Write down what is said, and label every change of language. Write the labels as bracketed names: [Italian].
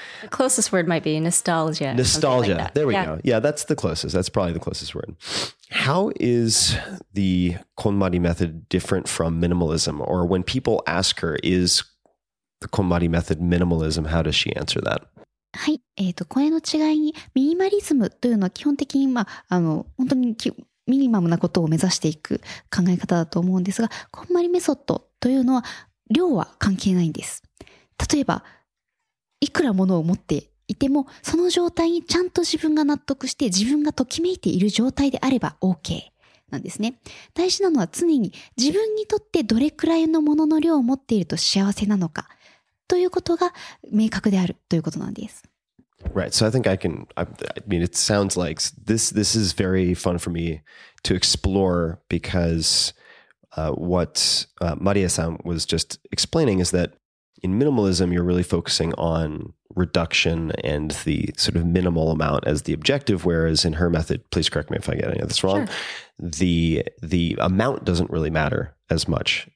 [English] The closest word might be nostalgia. Nostalgia. Like there we go. Yeah, that's the closest. That's probably the closest word. How is the KonMari method different from minimalism? Or when people ask her, is the KonMari method minimalism? How does she answer that? [Japanese] はい、これの違いに、ミニマリズムというのは基本的に、まあ、本当にミニマムなことを目指していく考え方だと思うんですが、こんまりメソッドというのは量は関係ないんです。例えばいくらものを持っていても、その状態にちゃんと自分が納得して自分がときめいている状態であれば OK なんですね。大事なのは常に自分にとってどれくらいのものの量を持っていると幸せなのかということが明確であるということなんです。 [English] Right. So I think I mean, it sounds like this is very fun for me to explore, because Maria-san was just explaining is that in minimalism, you're really focusing on reduction and the sort of minimal amount as the objective, whereas in her method, please correct me if I get any of this wrong, the amount doesn't really matter as much.